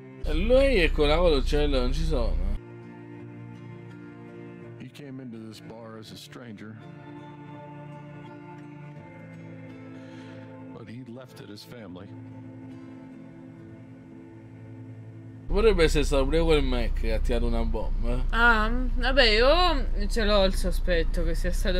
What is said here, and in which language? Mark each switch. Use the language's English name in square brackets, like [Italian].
[Italian] Lui è con la cielo, non ci sono. [English] Came into this bar as a stranger, but he left it as family. [Italian] Potrebbe essere stato pure quel Mac che ha tirato una bomba. Ah, vabbè, io ce l'ho il sospetto che sia stato.